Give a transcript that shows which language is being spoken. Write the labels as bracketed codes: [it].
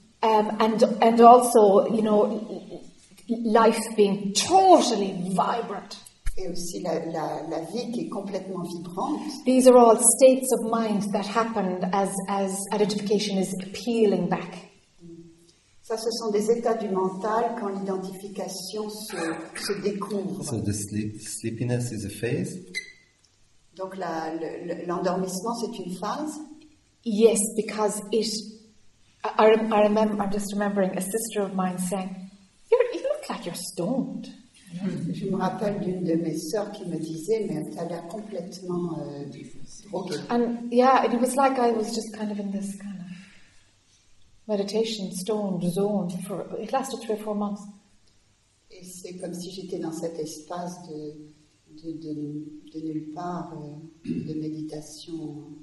[en] And also, you know, life being totally vibrant. [fr] Et aussi la vie qui est complètement vibrante. [en] These are all states of mind that happen as identification is peeling back. [fr] Ça, ce sont des états du mental quand l'identification se découvre. [en] So the sleepiness is a phase. [fr] Donc l'endormissement, c'est une phase. [en] Yes, because I'm just remembering a sister of mine saying, "You look like you're stoned." [fr] Je me rappelle d'une de mes sœurs qui me disait, mais tu as l'air complètement défoncée. [en] And yeah, it was like I was just kind of in this kind of meditation stoned zone for it lasted 3 or 4 months. [fr] Et c'est comme si j'étais dans cet espace de nulle part de méditation.